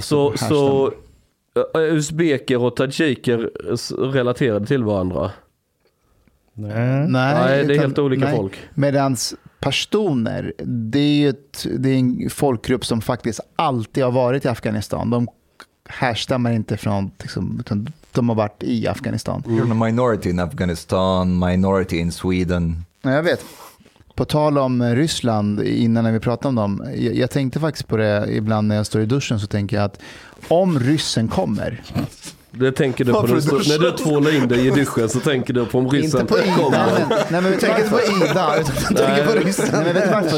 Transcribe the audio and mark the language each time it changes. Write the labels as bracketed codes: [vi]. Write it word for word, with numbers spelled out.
[sv] Så, så uzbeker och tajiker relaterade till varandra? Nej, nej det är helt olika nej. folk. Medans pashtuner, det är ju ett, det är en folkgrupp som faktiskt alltid har varit i Afghanistan. De härstammar inte från, liksom, utan de har varit i Afghanistan. [en] You're a minority in Afghanistan, minority in Sweden. [sv] Ja, jag vet. På tal om Ryssland, innan när vi pratade om dem, jag, jag tänkte faktiskt på det ibland när jag står i duschen, så tänker jag att om ryssen kommer... Det tänker du på du stod, när du tvålar in dig i duschen, så tänker du på om ryssen inte på Ida, kommer. Men, nej, men vi tänker inte på Ida, utan vi tänker på ryssen. Nej, men vet du varför?